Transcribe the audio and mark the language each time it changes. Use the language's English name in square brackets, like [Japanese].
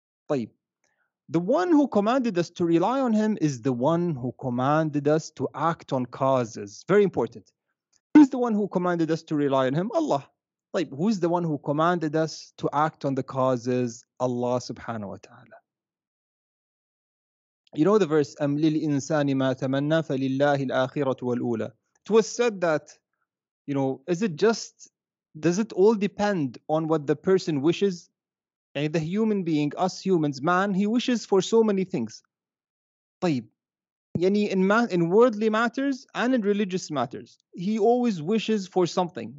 [Arabic] طيب. [English] The one who commanded us to rely on him is the one who commanded us to act on causes. Very important. Who's the one who commanded us to rely on him? Allah. [Arabic] طيب. [English] Who's the one who commanded us to act on the causes? Allah subhanahu wa ta'ala. You know the verse, [Arabic] أَمْ لِلْإِنسَانِ مَا تَمَنَّى فَلِلَّهِ الْآخِرَةُ وَالْأُولَى. [English] It was said that, you know, is it just... Does it all depend on what the person wishes? And the human being, us humans, man, he wishes for so many things. [Arabic] طيب. [English] Yani in worldly matters and in religious matters, he always wishes for something.